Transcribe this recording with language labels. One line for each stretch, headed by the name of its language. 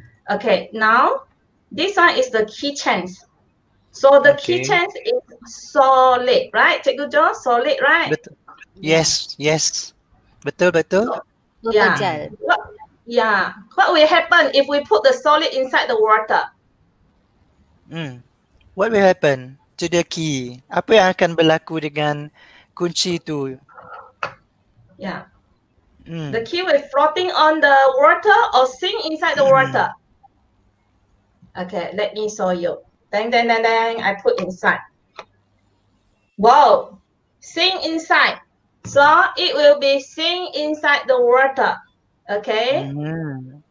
English: Okay, now this one is the kitchen. So the kitchen is solid, right? Cikgu Jo, solid, right? Yes.
Malay: Betul.
English: What will happen if we put the solid inside the water? What will happen? to the key.
Malay: Apa yang akan berlaku dengan kunci itu?
English: Yeah. Mm. The key will floating on the water or sink inside the water. Okay, let me show you. Dang, I put inside. Wow, sink inside. So it will be sink inside the water. Okay. Mm-hmm.